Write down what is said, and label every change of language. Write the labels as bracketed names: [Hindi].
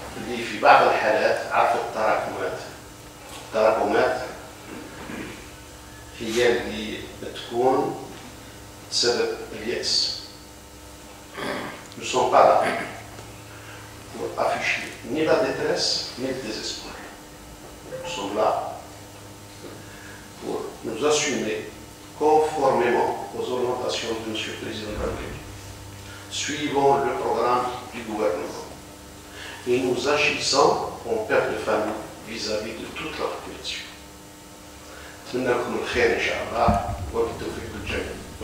[Arabic] اللي في بعض الحالات عرف التراكمات، التراكمات هي اللي تكون سبب اليأس. [French] نو سون با لا، pour afficher ni la détresse ni le désespoir. Nous sommes là pour nous assumer conformément aux orientations de M. le Président de la République. Suivons le programme du gouvernement et nous agissons en père de famille vis-à-vis de toute la population. [Arabic] منكم الخير إن شاء الله وبالتوفيق للجميع.